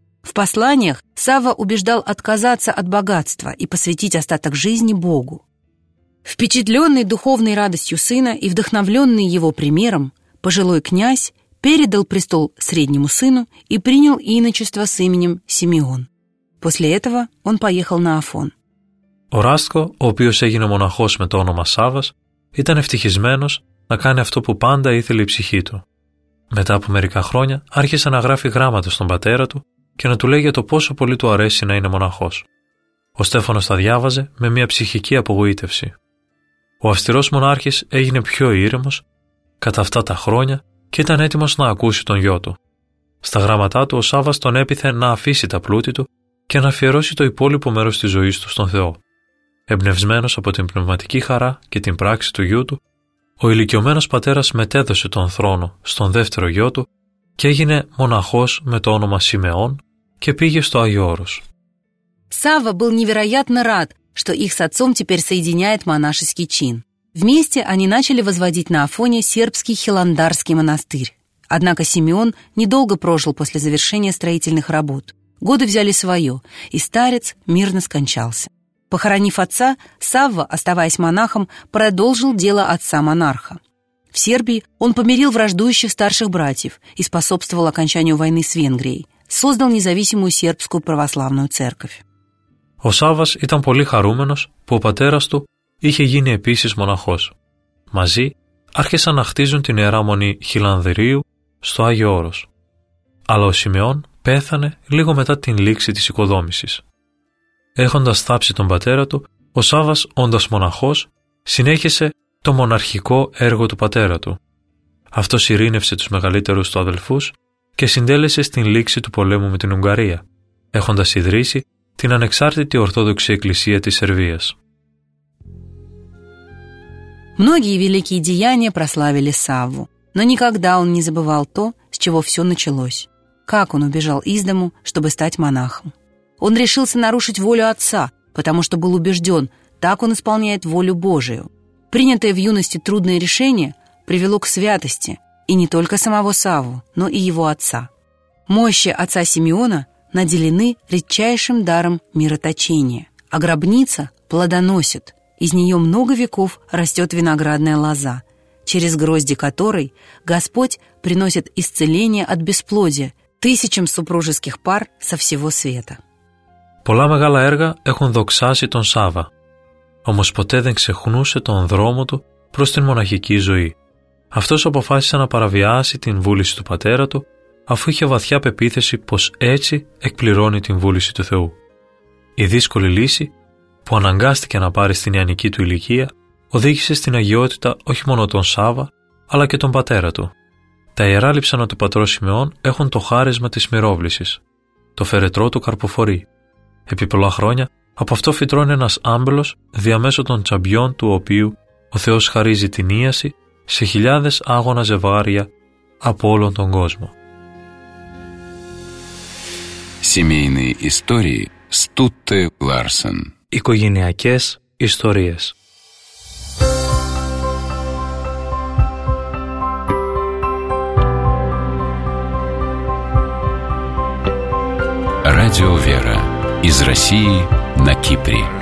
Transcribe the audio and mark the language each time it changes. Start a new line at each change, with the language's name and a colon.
Russian: В посланиях Савва убеждал отказаться от богатства и посвятить остаток жизни Богу. Впечатленный духовной радостью сына и вдохновленный его примером, пожилой князь передал престол среднему сыну и принял иночество с именем Симеон. После этого он поехал на Афон.
Greek: Ο Ράστκο, ο οποίος έγινε μοναχός με το όνομα Σάββας, ήταν ευτυχισμένος να κάνει αυτό που πάντα ήθελε η ψυχή του. Μετά από μερικά χρόνια άρχισε να γράφει γράμματα στον πατέρα του και να του λέει για το πόσο πολύ του αρέσει να είναι μοναχός. Ο Στέφανος τα διάβαζε με μια ψυχική απογοήτευση. Ο αυστηρός μονάρχης έγινε πιο ήρεμος κατά αυτά τα χρόνια και ήταν έτοιμος να ακούσει τον γιο του. Στα γράμματά του ο Σάββας τον έπειθε να αφήσει τα πλούτη του και να αφιερώσει το υπόλοιπο μέρος της ζωής του στον Θεό. Εμπνευσμένος από την πνευματική χαρά και την πράξη του γιού του, ο ηλικιωμένος πατέρας μετέδωσε τον θρόνο στον δεύτερο γιο του και έγινε μοναχός με το όνομα Σιμεών και πήγε στο Άγιο Όρος.
Russian: Савва был невероятно рад, что их с отцом теперь соединяет монашеский чин. Вместе они начали возводить на Афоне сербский Хиландарский монастырь. Однако Симеон недолго прожил после завершения строительных работ. Годы взяли свое, и старец мирно скончался. Похоронив отца, Савва, оставаясь монахом, продолжил дело отца-монарха. В Сербии он помирил враждующих старших братьев и способствовал окончанию войны с Венгрией, создал независимую сербскую православную церковь.
Greek: Ο Σάββας ήταν πολύ χαρούμενος που ο πατέρας του είχε γίνει επίσης μοναχός. Μαζί άρχισαν να χτίζουν την Ιερά Μονή Χιλανδηρίου στο Άγιο Όρος. Αλλά ο Σιμεών πέθανε λίγο μετά την λήξη της οικοδόμησης. Έχοντας θάψει τον πατέρα του, ο Σάββας, όντας μοναχός, συνέχισε το μοναρχικό έργο του πατέρα του. Αυτός ειρήνευσε τους μεγαλύτερους του αδελφούς και συντέλεσε στην λήξη του πολέμου με την Ουγγαρία, έχοντας ιδρύσει την ανεξάρτητη Ορθόδοξη Εκκλησία της Σερβίας.
Russian: Многие великие деяния прославили Савву, но никогда он не забывал то, с чего все началось. Как он убежал из дому, чтобы стать монахом? Он решился нарушить волю отца, потому что был убежден, так он исполняет волю Божию. Принятое в юности трудное решение привело к святости и не только самого Савву, но и его отца. Мощи отца Симеона наделены редчайшим даром мироточения, а гробница плодоносит. Из нее много веков растет виноградная лоза, через грозди которой Господь приносит исцеление от бесплодия тысячам супружеских пар со всего света.
Greek: Πολλά μεγάλα έργα έχουν δοξάσει τον Σάββα, όμως ποτέ δεν ξεχνούσε τον δρόμο του προς την μοναχική ζωή. Αυτός αποφάσισε να παραβιάσει την βούληση του πατέρα του, αφού είχε βαθιά πεποίθηση πως έτσι εκπληρώνει την βούληση του Θεού. Η δύσκολη λύση που αναγκάστηκε να πάρει στην νεανική του ηλικία, οδήγησε στην αγιότητα όχι μόνο τον Σάββα, αλλά και τον πατέρα του. Τα ιερά λείψανα του πατρός Σιμεών έχουν το χάρισμα της μυρόβλησης. Το φερετρό του καρποφορεί. Επί πολλά χρόνια, από αυτό φυτρώνει ένας άμπελος διαμέσου των τσαμπιών του οποίου ο Θεός χαρίζει την ίαση σε χιλιάδες άγωνα ζευγάρια από όλον τον κόσμο.
Russian: Семейные истории Стутте Ларсен.
Greek: Οικογενειακές ιστορίες.
Russian: Радио Вера. Из России на Кипре.